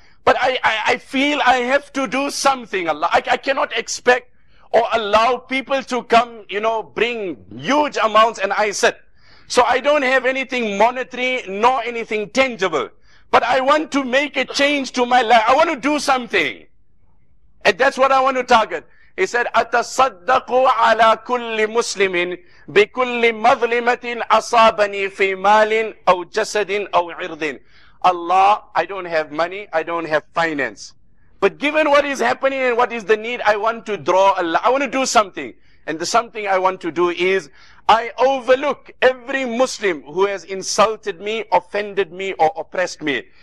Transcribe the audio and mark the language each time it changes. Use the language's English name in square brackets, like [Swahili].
[English] But I feel I have to do something, Allah. I cannot expect or allow people to come, you know, bring huge amounts. And I said, so I don't have anything monetary nor anything tangible, but I want to make a change to my life. I want to do something. And that's what I want to target. He said, [Arabic] أَتَصَدَّقُ عَلَىٰ كُلِّ مُسْلِمٍ بِكُلِّ مَظْلِمَةٍ أَصَابَنِي فِي مَالٍ أَوْ جَسَدٍ أَوْ عِرْضٍ. [English] Allah, I don't have money, I don't have finance. But given what is happening and what is the need, I want to draw Allah. I want to do something. And the something I want to do is, I overlook every Muslim who has insulted me, offended me, or oppressed me.